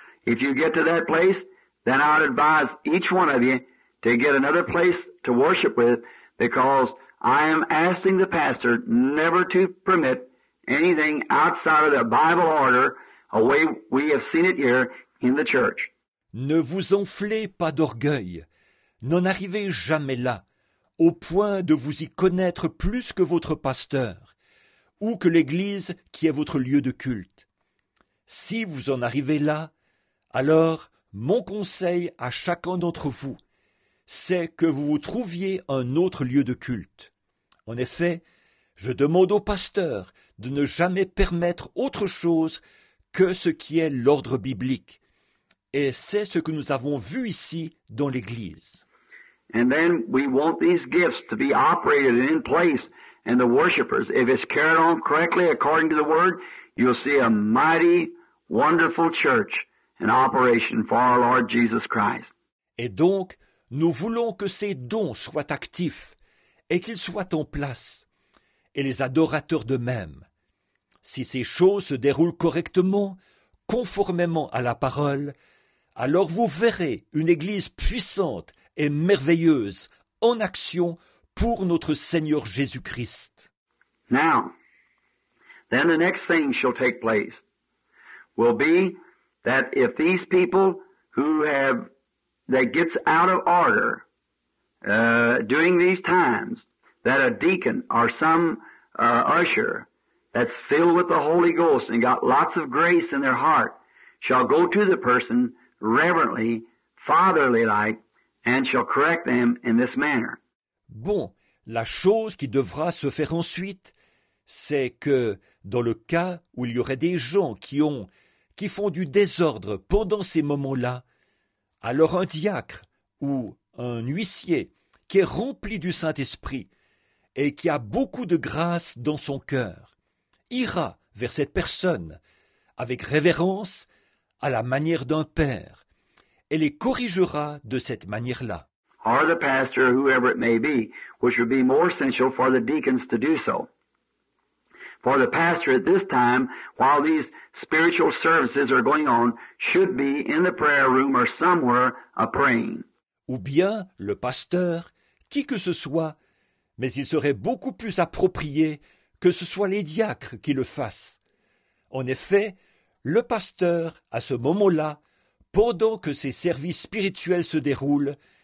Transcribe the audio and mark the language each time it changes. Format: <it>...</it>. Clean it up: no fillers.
<en>If you get to that place, then I'd advise each one of you to get another place to worship with, because I am asking the pastor never to permit anything outside of the Bible order, a way we have seen it here in the church.</en> <fr>Ne vous enflez pas d'orgueil. N'en arrivez jamais là, au point de vous y connaître plus que votre pasteur ou que l'Église qui est votre lieu de culte. Si vous en arrivez là, alors mon conseil à chacun d'entre vous, c'est que vous vous trouviez un autre lieu de culte. En effet, je demande au pasteur de ne jamais permettre autre chose que ce qui est l'ordre biblique. Et c'est ce que nous avons vu ici dans l'Église.</fr> <en>And then we want these gifts to be operated in place and the worshipers. If it's carried on correctly according to the word, you'll see a mighty, wonderful church in operation for our Lord Jesus Christ.</en> <fr>Et donc, nous voulons que ces dons soient actifs et qu'ils soient en place, et les adorateurs de même. Si ces choses se déroulent correctement, conformément à la parole, alors vous verrez une Église puissante et merveilleuse en action pour notre Seigneur Jésus-Christ.</fr> <en>Now, then the next thing shall take place will be that if these people who have, that gets out of order during these times, that a deacon or some usher that's filled with the Holy Ghost and got lots of grace in their heart, shall go to the person reverently, fatherly-like, and shall correct them in this manner.</en> <fr>Bon, la chose qui devra se faire ensuite, c'est que dans le cas où il y aurait des gens qui font du désordre pendant ces moments-là, alors un diacre ou un huissier qui est rempli du Saint-Esprit et qui a beaucoup de grâce dans son cœur ira vers cette personne avec révérence à la manière d'un père et les corrigera de cette manière-là.</fr> <en>Or the pastor, whoever it may be, which would be more essential for the deacons to do so. For the pastor at this time, while these spiritual services are going on, should be in the prayer room or somewhere a praying.</en> <fr>Ou bien le pasteur, qui que ce soit, mais il serait beaucoup plus approprié que ce soit les diacres qui le fassent. En effet, le pasteur, à ce moment-là, pendant que ses services spirituels se déroulent,</fr>